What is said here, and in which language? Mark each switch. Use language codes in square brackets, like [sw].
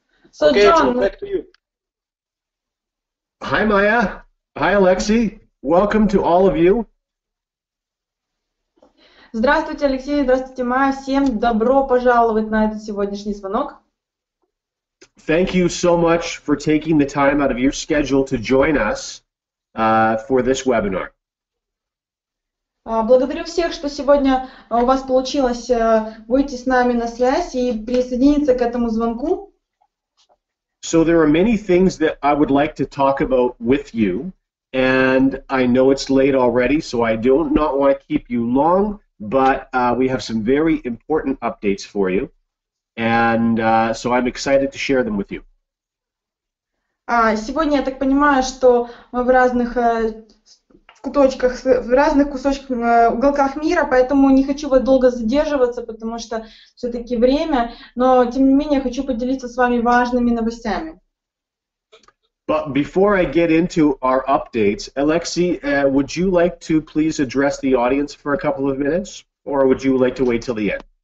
[en] So, okay, John, back to you. Hi, Maya. Hi, Alexei. Welcome to all of you. [ru] Здравствуйте, Алексей. Здравствуйте, Майя. Всем добро пожаловать на этот сегодняшний звонок. [en] Thank you so much for taking the time out of your schedule to join us for this webinar. [ru] Благодарю всех, что сегодня у вас получилось выйти с нами на связь и присоединиться к этому звонку. [en] So there are many things that I would like to talk about with you, and I know it's late already, so I do not want to keep you long, but we have some very important updates for you, and so I'm excited to share them with you. [ru] Сегодня я так понимаю, что мы в разных куточках, в разных кусочках, уголках мира, поэтому не хочу вот долго задерживаться, потому что все-таки время, но тем не менее хочу поделиться с вами важными новостями. [en] But before I get into our updates, Alexei, would you like to please address the audience for a couple of minutes, or would you like to wait till the end?